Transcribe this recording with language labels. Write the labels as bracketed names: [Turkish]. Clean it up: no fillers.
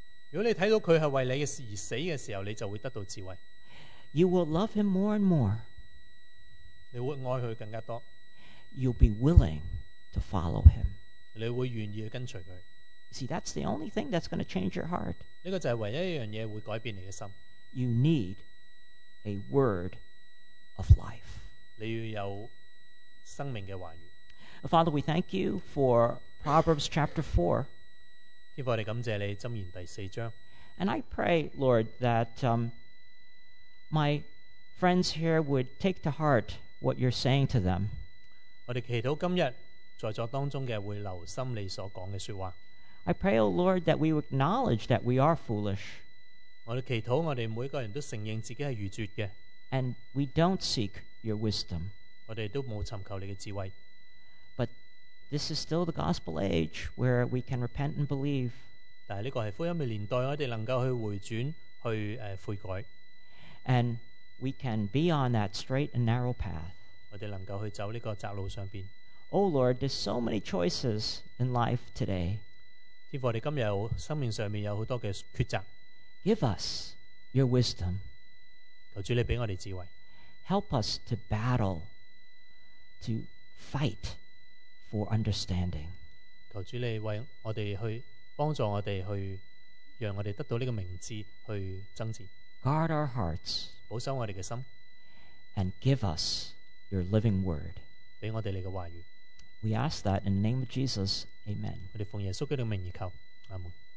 [Chinese] 如果你看到他是为你而死的时候，你就会得到智慧。 [English] You will love him more and more. [Chinese] 你会爱他更加多。 [English] You'll be willing to follow him. [Chinese] 你会愿意跟随他。 [English] See, that's the only thing that's going to change your heart. [Chinese] 这个就是唯一一样东西会改变你的心。 [English] You need a word of life. [Chinese] 你要有生命的话语。 [English] Father, we thank you for Proverbs chapter 4. [Chinese] 天父，我们感谢你，箴言第四章。 [English] And I pray, Lord, that my friends here would take to heart what you're saying to them. [Chinese] 我们祈祷今天在座当中的会留心你所讲的说话。 [English] I pray, O Lord, that we acknowledge that we are foolish. [Chinese] 我们祈祷我们每个人都承认自己是愚拙的。 [English] And we don't seek your wisdom. [Chinese] 我们都没有寻求你的智慧。 [English] This is still the gospel age where we can repent and believe. [Chinese] 但是这个是福音的年代，我们能够去回转，去悔改。 [English] And we can be on that straight and narrow path. [Chinese] 我们能够去走这个窄路上边。 [English] Oh Lord, there's so many choices in life today. [Chinese] 天父，我们今天有生命上面有很多的抉择。 [English] Give us your wisdom. [Chinese] 求主你给我们智慧。 [English] Help us to battle, to fight for understanding. [Chinese] 求主你为我们去帮助我们去让我们得到这个明智去争战。 [English] Guard our hearts. [Chinese] 保守我们的心。 [English] And give us your living word. [Chinese] 给我们你的话语。 [English] We ask that in the name of Jesus. Amen. [Chinese] 我们奉耶稣基督的名义求。阿们。